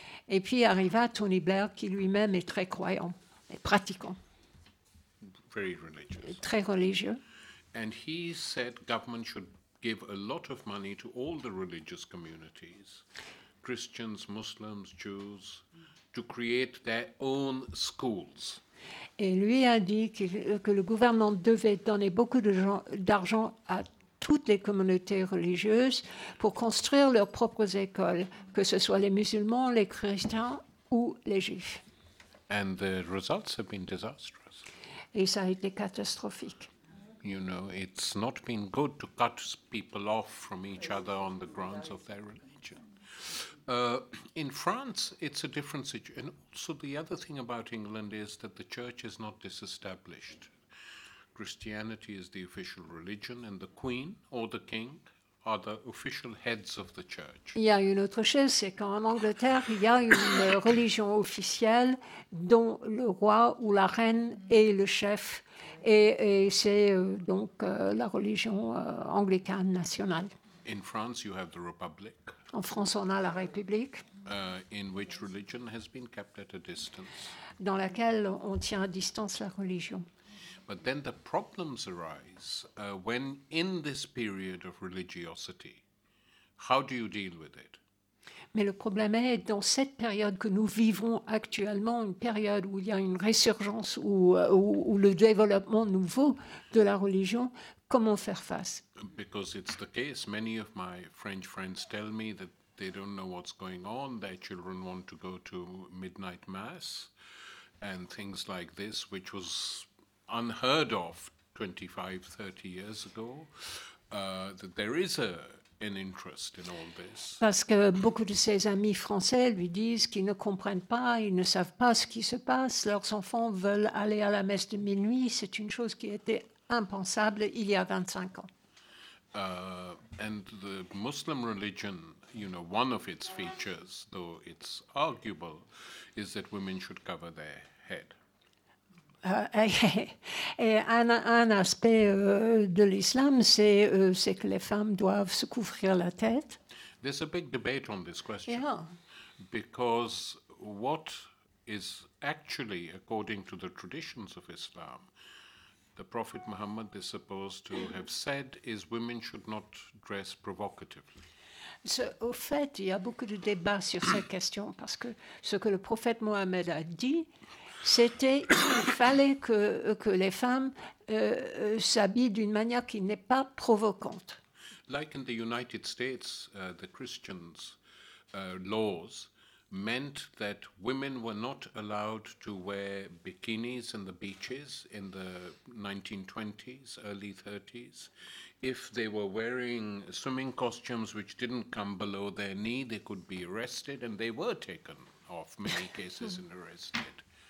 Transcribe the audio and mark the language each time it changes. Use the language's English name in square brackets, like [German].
[French] Et puis arriva Tony Blair, qui lui-même est très croyant, et pratiquant. [English] Very religious. Et [French] très religieux. [English] And he said government should give a lot of money to all the religious communities. Christians, Muslims, Jews, to create their own schools. [French] Et lui a dit que le gouvernement devait donner beaucoup d'argent à toutes les communautés religieuses pour construire leurs propres écoles, que ce soit les musulmans, les chrétiens ou les juifs. [English] And the results have been disastrous. [French] Et ça a été catastrophique. [English] You know, it's not been good to cut people off from each other on the grounds of their religion. In France, it's a different situation. And also, the other thing about England is that the church is not disestablished. Christianity is the official religion, and the Queen or the King are the official heads of the church. [French] Il y a une autre chose, c'est qu'en Angleterre, il y a une religion officielle dont le roi ou la reine est le chef. Et c'est donc la religion anglicane nationale. [English] In France, you have the Republic. [French] En France, on a la République. [English] In which religion has been kept at a distance. [French] Dans laquelle on tient à distance la religion. [English] But then the problems arise when in this period of religiosity, how do you deal with it? [French] Mais le problème est, dans cette période que nous vivons actuellement, une période où il y a une résurgence ou où le développement nouveau de la religion, comment faire face? [English] Because it's the case, many of my French friends tell me that they don't know what's going on, their children want to go to midnight mass, and things like this, which was unheard of 25, 30 years ago, that there is an interest in all this. [French] Parce que beaucoup de ses amis français lui disent qu'ils ne comprennent pas, ils ne savent pas ce qui se passe, leurs enfants veulent aller à la messe de minuit, c'est une chose qui était impensable il y a 25 ans. [English] And the Muslim religion, you know, one of its features, though it's arguable, is that women should cover their head. [French] Et un aspect de l'islam, c'est que les femmes doivent se couvrir la tête. [English] There's a big debate on this question. Yeah. Because what is actually, according to the traditions of Islam, the Prophet Muhammad is supposed to have said is women should not dress provocatively. [French] Au fait, il y a beaucoup de débats sur cette question, parce que ce que le prophète Mohammed a dit, c'était qu'il fallait que les femmes s'habillent d'une manière qui n'est pas provocante. [English] Like in the United States, the Christians' laws meant that women were not allowed to wear bikinis in the beaches in the 1920s, early 30s. If they were wearing swimming costumes which didn't come below their knee, they could be arrested, and they were taken off many cases and arrested.